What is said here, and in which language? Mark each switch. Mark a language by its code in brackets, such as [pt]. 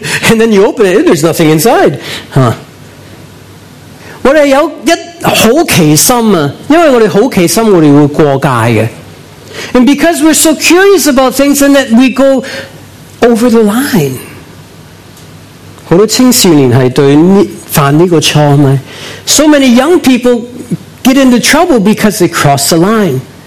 [en] And then you open it, and there's nothing inside. Huh. [yue] 我哋有一好奇心啊，因为我哋好奇心，我哋会过界嘅。 [en] And because we're so curious about things, and that we go over the line. [yue] 好多青少年系对犯呢个错咪 [en] ？So many young people get into trouble because they cross the line.